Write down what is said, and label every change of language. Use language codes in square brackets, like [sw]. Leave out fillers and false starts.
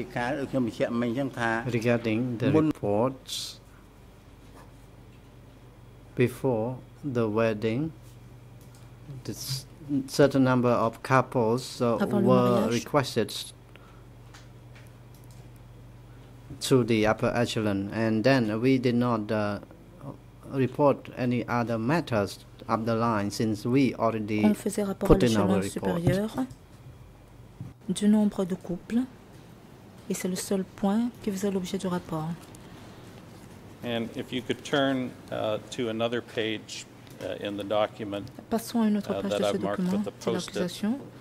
[en] Regarding the reports, before the wedding, a certain number of couples were requested to the upper echelon, and then we did not report any other matters up the line since we already put in our report. [fr] Du nombre de couples, et c'est le seul point qui faisait l'objet du rapport. [en] And if you could turn to another page in the document, [fr] passons à une autre page de ce document, c'est l'accusation.